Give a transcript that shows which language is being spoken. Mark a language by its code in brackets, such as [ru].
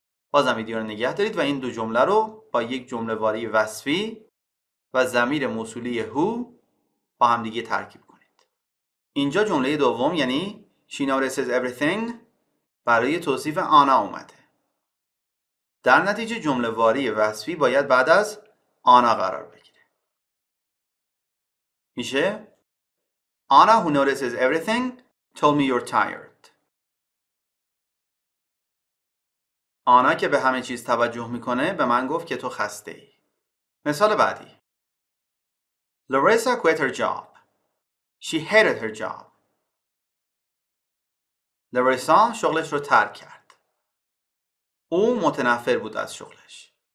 [fa] بازم ویدیو رو نگه دارید و این دو جمله رو با یک جمله واری وصفی و ضمیر موصولی who با همدیگه ترکیب کنید. اینجا جمله دوم یعنی [en] She notices everything [fa] برای توصیف آنا اومده. در نتیجه جمله واری وصفی باید بعد از آنا قرار بگیره. [en] میشه؟ Anna, who notices everything, told me you're tired. [fa] آنا که به همه چیز توجه میکنه به من گفت که تو خسته ای. مثال بعدی. [en] Larissa quit her job. She hated her job. [fa] لاریسا شغلش رو ترک کرد. او متنفر بود از شغلش.